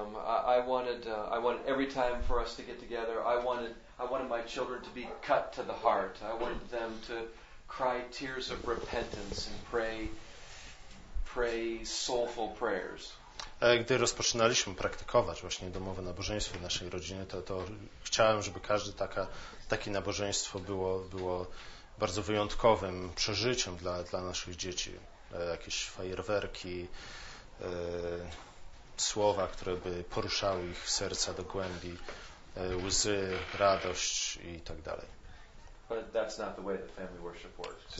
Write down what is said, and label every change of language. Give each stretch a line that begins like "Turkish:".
English: I wanted every time for us to get together, I wanted my children to be cut to the heart. I wanted them to cry tears of repentance and pray soulful prayers.
Polish: Gdy rozpoczynaliśmy praktykować właśnie domowe nabożeństwo w naszej rodzinie, to chciałem, żeby każde takie nabożeństwo było bardzo wyjątkowym przeżyciem dla naszych dzieci. Jakieś fajerwerki, słowa, które by poruszały ich serca do głębi, łzy, radość i tak dalej.
English: But that's not the way that family worship works.